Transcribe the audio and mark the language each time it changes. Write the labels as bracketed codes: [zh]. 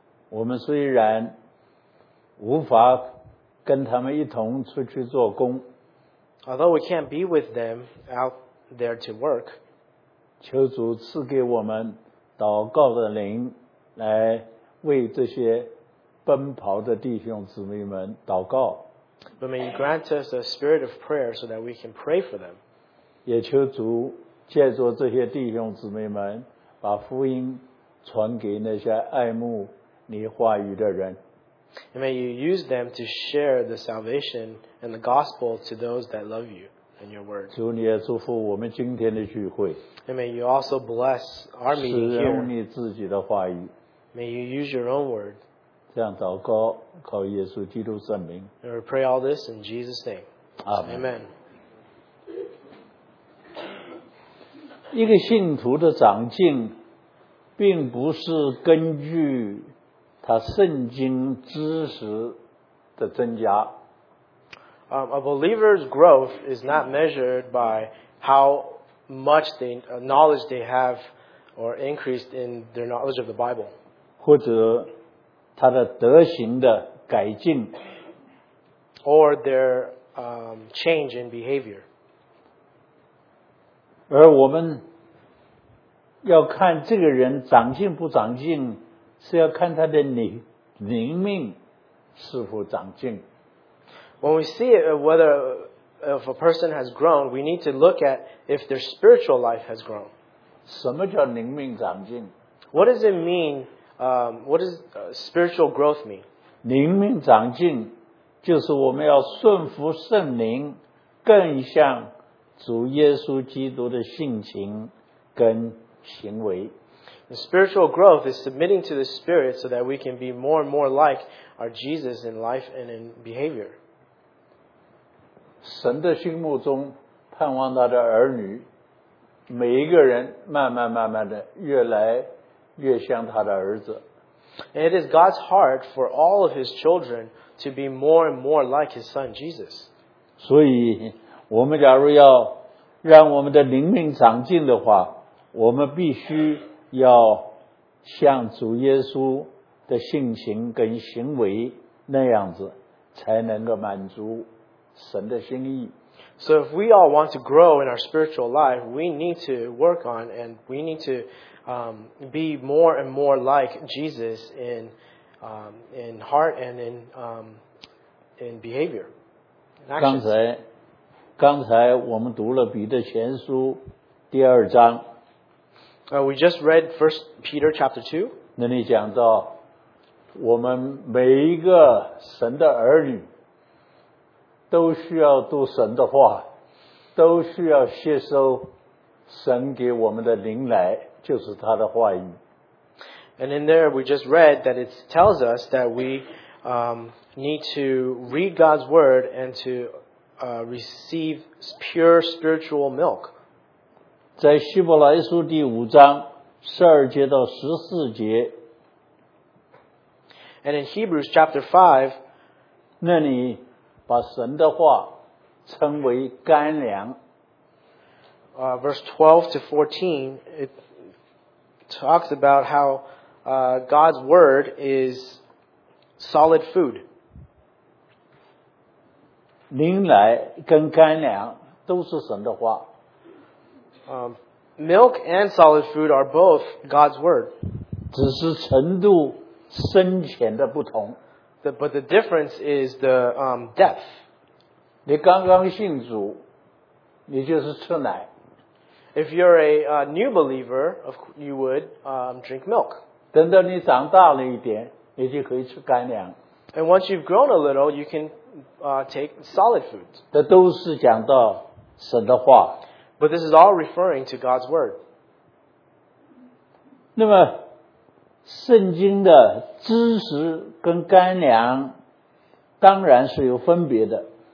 [zh] 我们虽然无法跟他们一同出去做工， [en] although we can't be with them out there to work, [zh] 求主赐给我们祷告的灵来。为这些奔跑的弟兄姊妹们祷告。 [en] But may you grant us a spirit of prayer so that we can pray for them. [zh] 也求主借着这些弟兄姊妹们把福音传给那些爱慕你话语的人。 [en] And may you use them to share the salvation and the gospel to those that love you and your word. [zh] 主你也祝福我们今天的聚会。 [en] And may you also bless our meeting here. [zh] 使用你自己的话语。 [en] May you use your own word. [zh] 这样祷告，靠耶稣基督圣名。 [en] And we pray all this in Jesus' name. Amen. Amen. [zh] 一个信徒的长进，并不是根据他圣经知识的增加。 [en] A believer's growth is not measured by how much knowledge they have or increased in their knowledge of the Bible. [zh] 或者他的德行的改进 [en] or their change in behavior. [zh] 而我们要看这个人长进不长进，是要看他的灵命是否长进。 [en] When we see whether if a person has grown, we need to look at if their spiritual life has grown. [zh] 什么叫灵命长进？ [en] What does it meanWhat does spiritual growth mean? [zh] 灵命长进就是我们要顺服圣灵更像主耶稣基督的性情跟行为。 [en] The spiritual growth is submitting to the Spirit so that we can be more and more like our Jesus in life and in behavior. [zh] 神的心目中盼望他的儿女每一个人慢慢慢慢的越来越像他的儿子。 [en] And it is God's heart for all of his children to be more and more like his son Jesus. [zh] 所以我们假如要让我们的灵命长进的话我们必须要像主耶稣的性情跟行为那样子才能够满足神的心意。 [en] So if we all want to grow in our spiritual life, we need to work on and we need to be more and more like Jesus in heart and in behavior. [zh] 刚才我们读了彼得前书第二章。 [en] We just read 1 Peter chapter 2. [zh] 那里讲到我们每一个神的儿女都需要读神的话都需要接收神给我们的灵来就是他的话语。 [en] And in there we just read that it tells us that we need to read God's word and to receive pure spiritual milk. [zh] 在希伯来书第五章十二节到十四节 [en] And in Hebrews chapter 5 [zh] 那里把神的话称为干粮。 [en] Verse 12 to 14, it talks about how God's word is solid food. [zh] 灵来跟干粮都是神的话。 [en] Milk and solid food are both God's word. [zh] 只是程度深浅的不同。 [en] But the difference is the depth. [zh] 你刚刚信主，你就是吃奶。 [en] If you're a new believer, you would drink milk. [zh] 等到你长大了一点，你就可以吃干粮。 [en] And once you've grown a little, you can take solid food. [zh] 这都是讲到神的话。 [en] But this is all referring to God's word. [zh] 那么圣经的知识跟干粮当然是有分别的。